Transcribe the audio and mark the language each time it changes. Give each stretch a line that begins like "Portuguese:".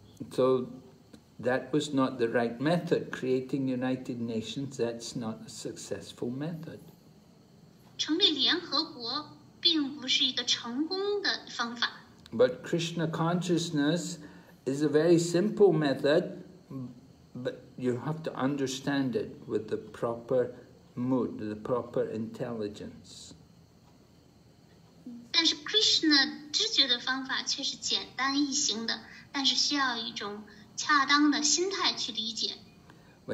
English: So that was not the right method. Creating United Nations, that's not a successful method.
Chinese: 成立联合国并不是一个成功的方法。
English: But Krishna consciousness is a very simple method, but you have to understand it with the proper mood, the proper intelligence.
Chinese: 但是 Krishna 知觉的方法却是简单易行的，但是需要一种恰当的心态去理解。
English: We